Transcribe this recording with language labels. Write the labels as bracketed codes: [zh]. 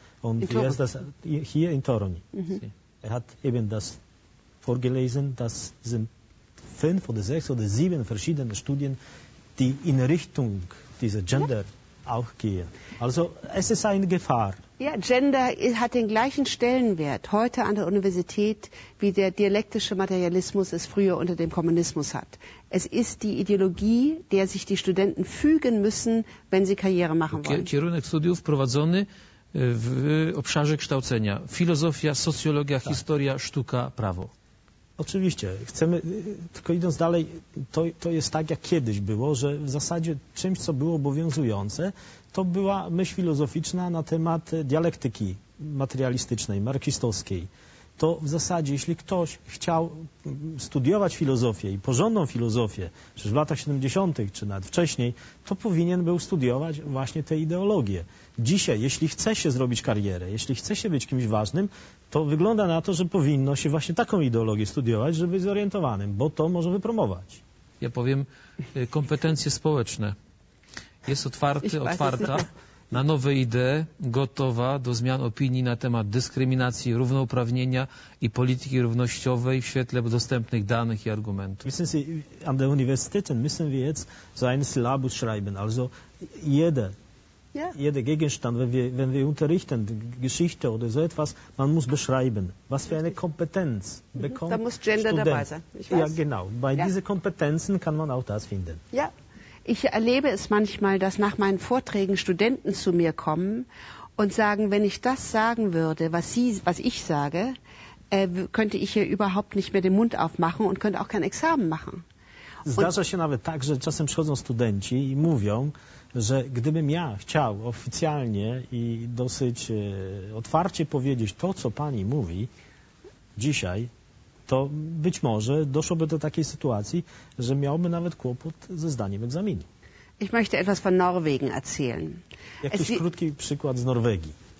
[de] Und wie ist das hier in Toruń? Mhm. Er hat eben das vorgelesen, das sind 5 oder 6 oder 7 verschiedene Studien, die in Richtung dieser Gender auch gehen. Also es ist eine Gefahr. Ja, Gender hat den gleichen Stellenwert heute an der Universität, wie der dialektische Materialismus es früher unter dem Kommunismus hat. Es ist die Ideologie, der sich die Studenten fügen müssen, wenn sie Karriere machen wollen. [pl] Kierunek studiów prowadzony w obszarze kształcenia. Filozofia, socjologia, historia, sztuka, prawo. Oczywiście. Chcemy, tylko idąc dalej, to jest tak, jak kiedyś było, że w zasadzie czymś, co było obowiązujące, to była myśl filozoficzna na temat dialektyki materialistycznej, marksistowskiej. To w zasadzie, jeśli ktoś chciał studiować filozofię i porządną filozofię, przecież w latach 70. czy nawet wcześniej, to powinien był studiować właśnie tę ideologię. Dzisiaj, jeśli chce się zrobić karierę, jeśli chce się być kimś ważnym, to wygląda na to, że powinno się właśnie taką ideologię studiować, żeby być zorientowanym, bo to może wypromować. Ja powiem kompetencje społeczne. Jest otwarta. na nowe idee, gotowa do zmian opinii na temat dyskryminacji, równouprawnienia i polityki równościowej w świetle dostępnych danych i argumentów. [de] Wissen Sie, an der Universität müssen wir jetzt so einen Syllabus schreiben, also jeder. Yeah. Jeder Gegenstand, wenn wir unterrichten, Geschichte oder so etwas, man muss beschreiben, was für eine Kompetenz bekommt. Da muss Gender Student. Dabei sein. Ich weiß. Ja, genau. Bei ja. diesen Kompetenzen kann man auch das finden. Ja, ich erlebe es manchmal, dass nach meinen Vorträgen Studenten zu mir kommen und sagen, wenn ich das sagen würde, was ich sage, könnte ich hier überhaupt nicht mehr den Mund aufmachen und könnte auch kein Examen machen. [pl] Zdarza się nawet tak, że czasem przychodzą studenci i mówią, że gdybym ja chciał oficjalnie i dosyć otwarcie powiedzieć to, co pani mówi dzisiaj, to być może doszłoby do takiej sytuacji, że miałby nawet kłopot ze zdaniem egzaminu. [de] Ich möchte etwas von Norwegen erzählen. [pl] Jakiś krótki przykład z Norwegii.